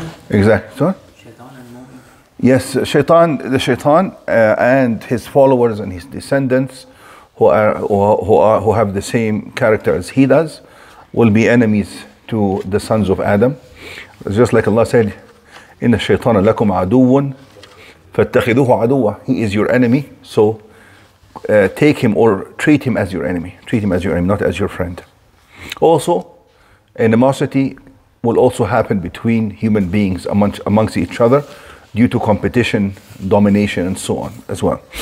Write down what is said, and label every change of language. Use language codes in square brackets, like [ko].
[en] Exactly. So? Yes, Shaitan, the Shaitan and his followers and his descendants who have the same character as he does will be enemies to the sons of Adam. Just like Allah said, [ar] إِنَّ الشَّيْطَانَ لَكُمْ عَدُوٌ فَاتَّخِذُوهُ عَدُوًا. [en] He is your enemy, so take him or treat him as your enemy. Treat him as your enemy, not as your friend. Also, animosity will also happen between human beings amongst each other due to competition, domination, and so on as well.